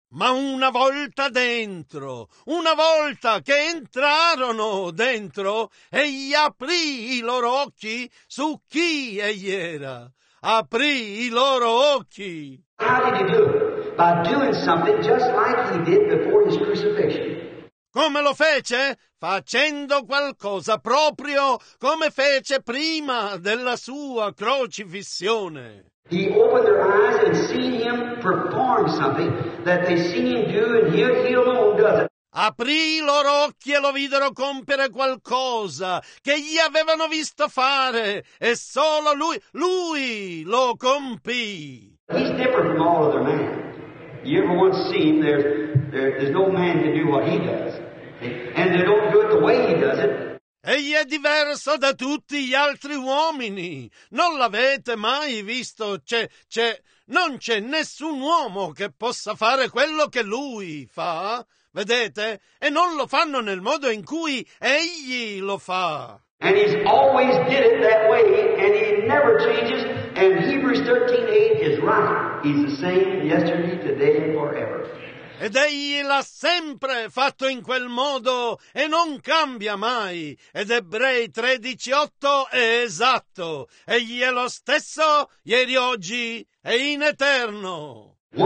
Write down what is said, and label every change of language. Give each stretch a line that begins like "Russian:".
Italian: Ma una volta dentro, una volta che entrarono dentro, egli aprì i loro occhi su chi egli era. Aprì i loro occhi.
English: How did he do it? By doing something just like he did before his crucifixion.
Italian: Come lo fece? Facendo qualcosa proprio come fece prima della sua crocifissione.
English: He opened their eyes and seen him perform something that they seen him do and he alone does it.
Italian: Aprì i loro occhi e lo videro compiere qualcosa che gli avevano visto fare e solo lui lo compì.
English: He's different from all other men. You ever once seen there's no man can do what he does. And they don't do it the way he does it.
Italian: Egli è diverso da tutti gli altri uomini. Non l'avete mai visto. Non c'è nessun uomo che possa fare quello che lui fa. Vedete? E non lo fanno nel modo in cui egli lo fa.
English: And he's always did it that way, and he never changes. And Hebrews 13:8 is right. He's the same yesterday, today, and forever.
Italian: Ed egli l'ha sempre fatto in quel modo e non cambia mai. Ed Ebrei 13:8 è esatto. Egli è lo stesso ieri, oggi e in eterno.